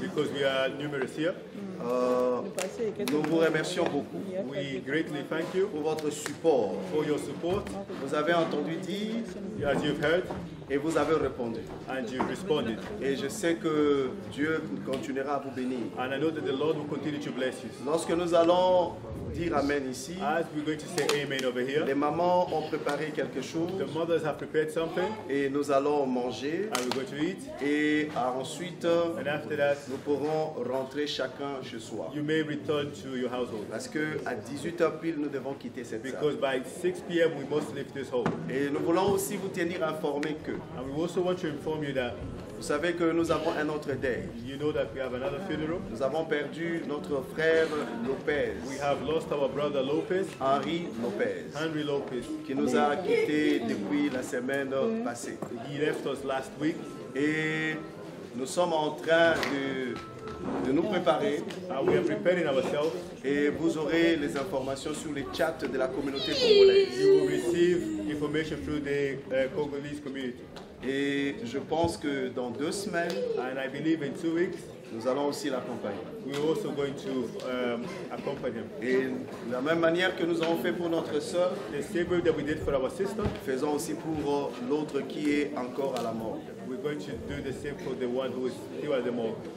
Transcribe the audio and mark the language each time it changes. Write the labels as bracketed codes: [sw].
[en] Because we are numerous here. [fr] Nous vous remercions beaucoup. [en] We greatly thank you. [fr] Pour votre support. [en] For your support. [fr] Vous avez entendu dire. [en] As you've heard. [fr] Et vous avez répondu. [en] And you responded. [fr] Et je sais que Dieu continuera à vous bénir. [en] And I know that the Lord will continue to bless you. [fr] Lorsque nous allons dire amen ici. [en] As we're going to say amen over here. [fr] Les mamans ont préparé quelque chose. [en] The mothers have prepared something. [fr] Et nous allons manger. [en] And we're going to eat. [fr] Et ensuite, [en] and after that, [fr] nous pourrons rentrer chacun chez soi. [en] You may return to your household. [fr] Parce que à 18h pile nous devons quitter cette [en] salle. Because by 6 p.m. we must leave this hall. [fr] Et nous voulons aussi vous tenir informés que. [en] And we also want to inform you that. [fr] Vous savez que nous avons un autre deuil. [en] You know that we have another funeral. [fr] Nous avons perdu notre frère Lopez. [en] We have lost our brother Lopez. [fr] Henry Lopez. [en] Henry Lopez. [fr] Qui nous a quitté depuis la semaine passée. [en] He left us last week. [fr] Et nous sommes en train de nous préparer. [en] And we are preparing ourselves. [fr] Et vous aurez les informations sur les chats de la communauté congolaise. [en] You will receive information through the Congolese community. [fr] Et je pense que dans 2 semaines, [en] and I believe in 2 weeks, [fr] nous allons aussi l'accompagner. [en] We're also going to accompany him. [fr] Et la même manière que nous avons fait pour notre sœur, [en] the same way that we did for our sister, [fr] faisons aussi pour l'autre qui est encore à la mort. [en] We're going to do the same for the one who is still at the mort.